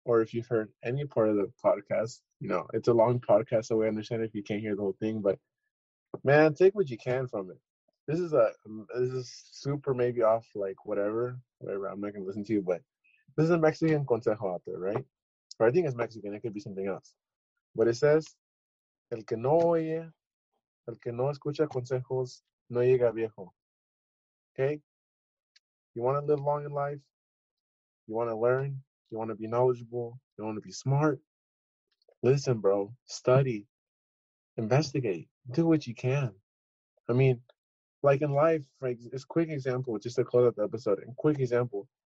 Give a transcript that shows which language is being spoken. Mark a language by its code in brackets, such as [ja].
[en] Or if you've heard any part of the podcast, you know, it's a long podcast, so we understand if you can't hear the whole thing. But, man, take what you can from it. This is super maybe off, like, whatever. I'm not going to listen to you, but this is a Mexican consejo out there, right? Or I think it's Mexican. It could be something else. [es] But it says, el que no oye, el que no escucha consejos, no llega viejo. [en] Okay? You want to live long in life? You want to learn? You want to be knowledgeable. You want to be smart. Listen, bro. Study. Investigate. Do what you can. I mean, like in life, like, it's a quick example, just to close out the episode, and quick example.